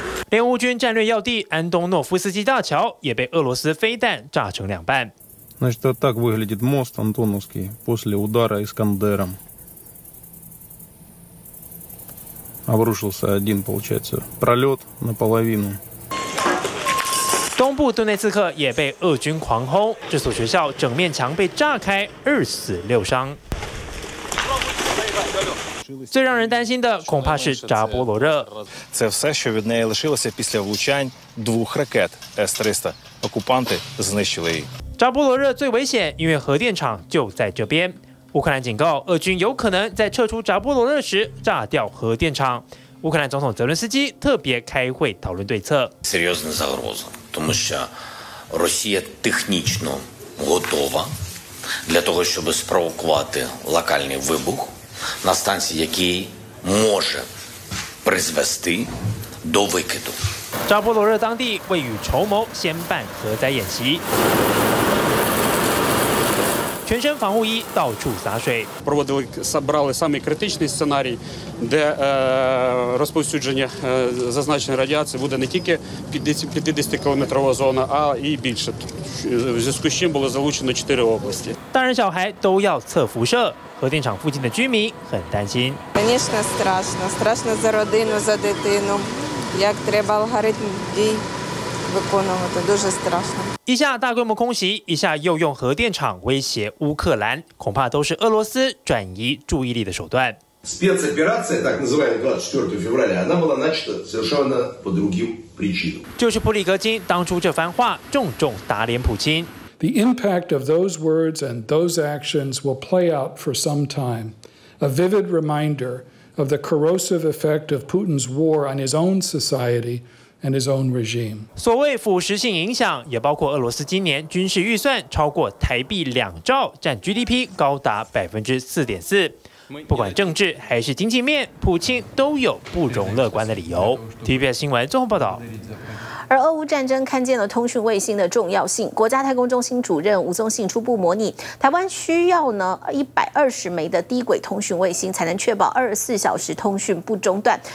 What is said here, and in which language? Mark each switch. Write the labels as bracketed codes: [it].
[zh] 连乌军战略要地安东诺夫斯基大桥也被俄罗斯飞弹炸成两半。 [ru] Значит, так выглядит мост Антоновский после удара Искандером. Обрушился один, получается, пролет наполовину. [zh] 东部顿内茨克也被俄军狂轰，这所学校整面墙被炸开，2死6伤。最让人担心的恐怕是扎波罗热。 [uk] Це все, що від неї лишилося після влучань 2 ракет С-300. Окупанти знищили її. [zh] 扎波罗热最危险，因为核电厂就在这边。乌克兰警告，俄军有可能在撤出扎波罗热时炸掉核电厂。乌克兰总统泽伦斯基特别开会讨论对策。 [uk] Серйозна загроза, тому що Росія технічно готова для того, щоб спровокувати локальний вибух на станції, який може призвести до викиду. [zh] 扎波罗热当地未雨绸缪，先办核灾演习。全身防护衣到处洒水。 [uk] Проводили [ru] собрали самый [uk] критичний сценарій, де розповсюдження зазначеної радіації буде не тільки 50-кілометрова зона, а і більше. В зв'язку з чим було залучено 4 області. [zh] 大人小孩都要测辐射。核电厂附近的居民很担心。 [ru] Конечно, страшно. [uk] Страшно за родину, за дитину. Як треба алгоритм дій виконувати. Дуже страшно. [zh] 一下大规模空袭，一下又用核电厂威胁乌克兰，恐怕都是俄罗斯转移注意力的手段。 [ru] Спецоперація, так называемая 24 февраля, она была начата совершенно по другим причинам. [zh] 就是普里戈金当初这番话重重打脸普京。 [en] The impact of those words and those actions will play out for some time. A vivid reminder of the corrosive effect of Putin's war on his own society and his own regime. [zh] 所谓腐蚀性影响，也包括俄罗斯今年军事预算超过台币两兆，占 GDP 高达4.4%。不管政治还是经济面，普京都有不容乐观的理由。 TVBS 新闻综合报道。而俄乌战争看见了通讯卫星的重要性，国家太空中心主任吴宗信初步模拟，台湾需要呢120枚的低轨通讯卫星，才能确保24小时通讯不中断。